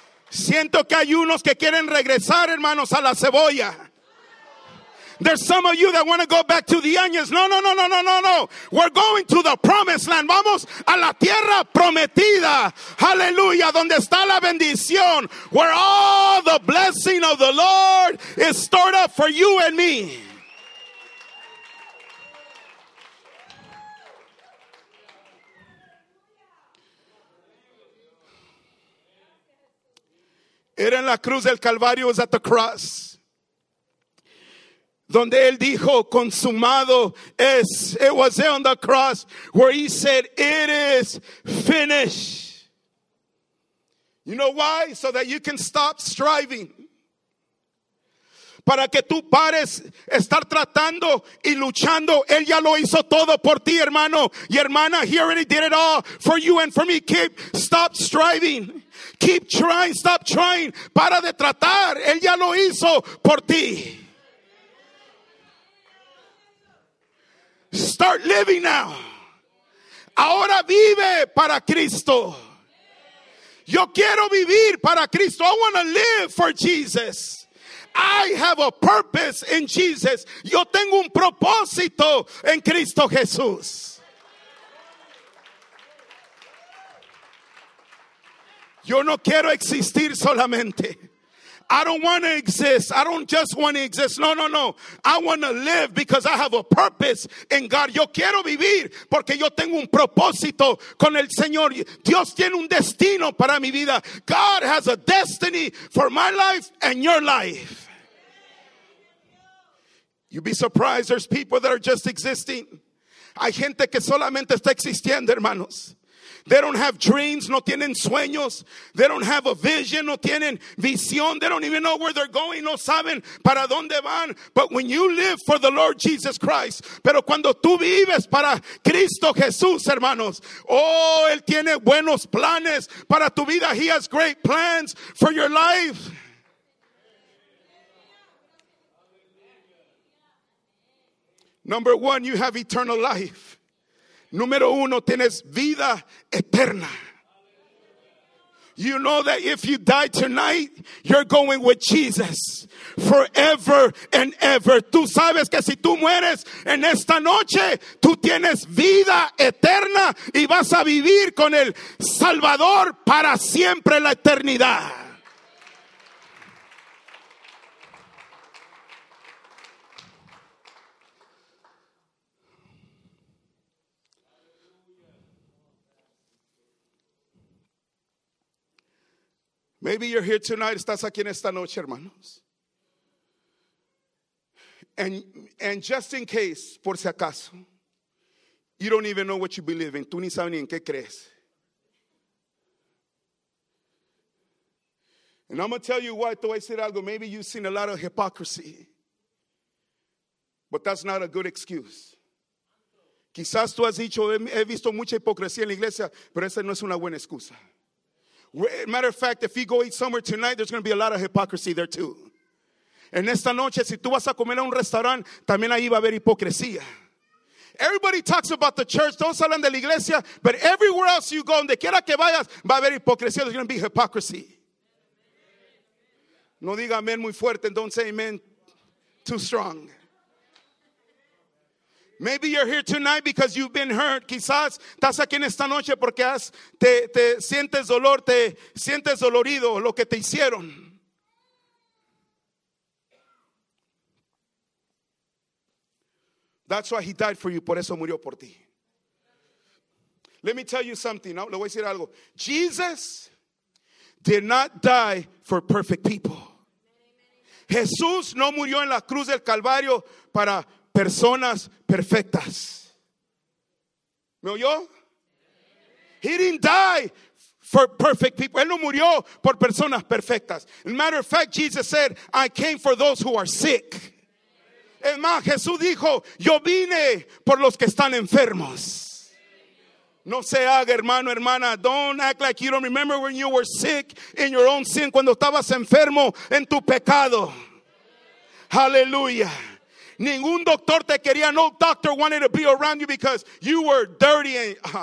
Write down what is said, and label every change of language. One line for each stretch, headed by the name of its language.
Spanish: Siento que hay unos que quieren regresar, hermanos, a la cebolla.
English: There's some of you that want to go back to the onions. No. We're going to the promised land.
Spanish: Vamos a la tierra prometida.
English: Hallelujah.
Spanish: Donde está la bendición.
English: Where all the blessing of the Lord is stored up for you and me.
Spanish: Era en la cruz del Calvario,
English: was at the cross.
Spanish: Donde él dijo, consumado es.
English: It was there on the cross where he said, it is finished. You know why? So that you can stop striving.
Spanish: Para que tú pares estar tratando y luchando. Él ya lo hizo todo por ti, hermano y hermana.
English: He already did it all for you and for me. Stop striving. Keep trying. Stop trying.
Spanish: Para de tratar. Él ya lo hizo por ti.
English: Start living now.
Spanish: Ahora vive para Cristo. Yo quiero vivir para Cristo.
English: I want to live for Jesus. I have a purpose in Jesus.
Spanish: Yo tengo un propósito en Cristo Jesús. Yo no quiero existir solamente.
English: I don't want to exist. I don't just want to exist. No. I want to live because I have a purpose in God.
Spanish: Yo quiero vivir porque yo tengo un propósito con el Señor. Dios tiene un destino para mi vida.
English: God has a destiny for my life and your life. You'd be surprised. There's people that are just existing.
Spanish: Hay gente que solamente está existiendo, hermanos.
English: They don't have dreams,
Spanish: no tienen sueños.
English: They don't have a vision,
Spanish: no tienen visión.
English: They don't even know where they're going,
Spanish: no saben para dónde van.
English: But when you live for the Lord Jesus Christ,
Spanish: pero cuando tú vives para Cristo Jesús, hermanos, oh, Él tiene buenos planes para tu vida.
English: He has great plans for your life. Number one, you have eternal life.
Spanish: Número uno, tienes vida eterna.
English: You know that if you die tonight, you're going with Jesus forever and ever.
Spanish: Tú sabes que si tú mueres en esta noche, tú tienes vida eterna y vas a vivir con el Salvador para siempre la eternidad.
English: Maybe you're here tonight,
Spanish: estás aquí en esta noche, hermanos.
English: And just in case,
Spanish: por si acaso,
English: you don't even know what you believe in.
Spanish: Tú ni sabes ni en qué crees.
English: And I'm going to tell you why,
Spanish: te voy a decir algo.
English: Maybe you've seen a lot of hypocrisy. But that's not a good excuse.
Spanish: Quizás tú has dicho, he visto mucha hipocresía en la iglesia, pero esa no es una buena excusa.
English: Matter of fact, if you go eat somewhere tonight, there's going to be a lot of hypocrisy there too.
Spanish: En esta noche, si tú vas a comer a un restaurante, también ahí va a haber hipocresía.
English: Everybody talks about the church,
Spanish: todos hablan de la iglesia,
English: but everywhere else you go,
Spanish: donde quiera que vayas, va a haber hipocresía.
English: There's going to be hypocrisy.
Spanish: No diga amén muy fuerte,
English: don't say amen too strong. Maybe you're here tonight because you've been hurt.
Spanish: Quizás estás aquí en esta noche porque te sientes dolor, te sientes dolorido lo que te hicieron.
English: That's why he died for you.
Spanish: Por eso murió por ti.
English: Let me tell you something.
Spanish: Le voy a decir algo.
English: Jesus did not die for perfect people.
Spanish: Jesús no murió en la cruz del Calvario para personas perfectas. ¿Me oyó?
English: He didn't die for perfect people.
Spanish: Él no murió por personas perfectas.
English: As a matter of fact, Jesus said, I came for those who are sick.
Spanish: Es más, Jesús dijo, yo vine por los que están enfermos. No se haga, hermano, hermana.
English: Don't act like you don't remember when you were sick in your own sin.
Spanish: Cuando estabas enfermo en tu pecado. Hallelujah. Ningún doctor te quería.
English: No doctor wanted to be around you because you were dirty.